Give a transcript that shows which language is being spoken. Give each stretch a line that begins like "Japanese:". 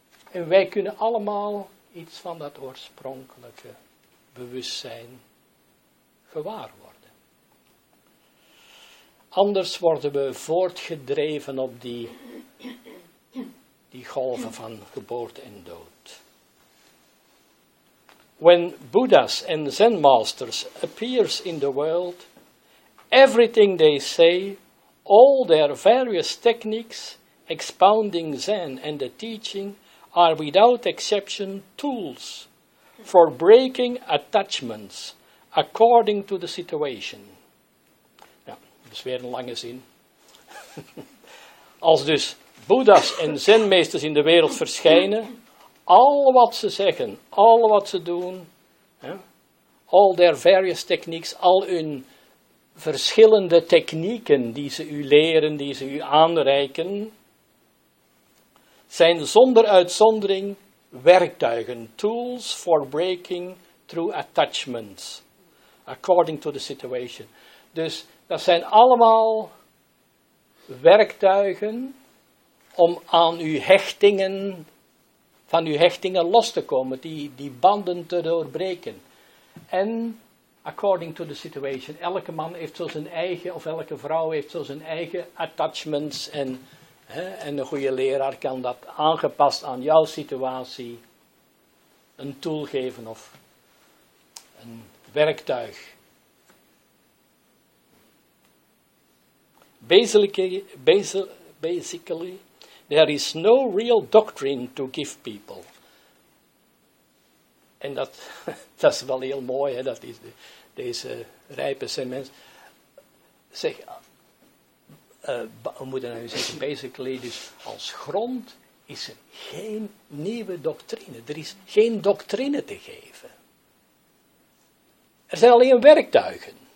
Dutch: En wij kunnen allemaal iets van dat oorspronkelijke bewustzijn gewaar worden. Anders worden we voortgedreven op die golven van geboorte en dood.
English: When Buddhas and Zen masters appear in the world, everything they say, all their various techniques, expounding Zen and the teaching, are without exception tools for breaking attachments according to the situation.
Dutch: Ja, dat is weer een lange zin. Als dus Buddhas en Zen masters in de wereld verschijnen, al wat ze zeggen, al wat ze doen, hè,
English: all their various techniques,
Dutch: al hun verschillende technieken die ze u leren, die ze u aanreiken, zijn zonder uitzondering werktuigen,
English: tools for breaking through attachments, according to the situation.
Dutch: Dus dat zijn allemaal werktuigen om aan uw hechtingen, van uw hechtingen los te komen, die banden te doorbreken. En
English: according to the situation.
Dutch: Elke man heeft zo zijn eigen, of elke vrouw heeft zo zijn eigen attachments. En een goede leraar kan dat aangepast aan jouw situatie een tool geven of een werktuig.
English: Basically, there is no real doctrine to give people.
Dutch: En dat is wel heel mooi, hè? Dat is deze rijpe zijn mensen. Zeg, we moeten nou zeggen, basically, dus als grond is er geen nieuwe doctrine. Er is geen doctrine te geven. Er zijn alleen werktuigen.